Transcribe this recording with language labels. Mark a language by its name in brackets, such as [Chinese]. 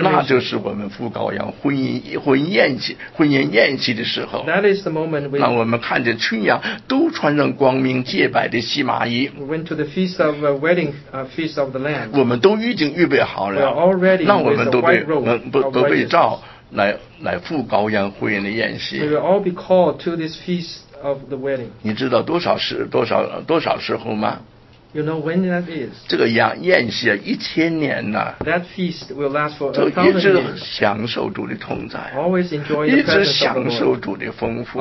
[Chinese] 那就是我们赴羔羊婚宴宴席的时候， [English] that is the moment we, [Chinese] 让我们看见群羊都穿上光明洁白的细麻衣， [English] we went to the feast of a wedding, feast of the Lamb. [Chinese] 我们都已经预备好了， [English] we are all ready, [Chinese] 让我们都被召来赴羔羊婚宴的宴席。 [English] We will all be called to this feast of the wedding. [Chinese] 你知道多少时候吗？ [English] You know when that is? [Chinese] 这个宴席啊，一千年呢。 [English] That feast will last for 1,000 years. [Chinese] 一直享受主的同在。 [English] Always enjoying the presence of the Lord. [Chinese] 一直享受主的丰富。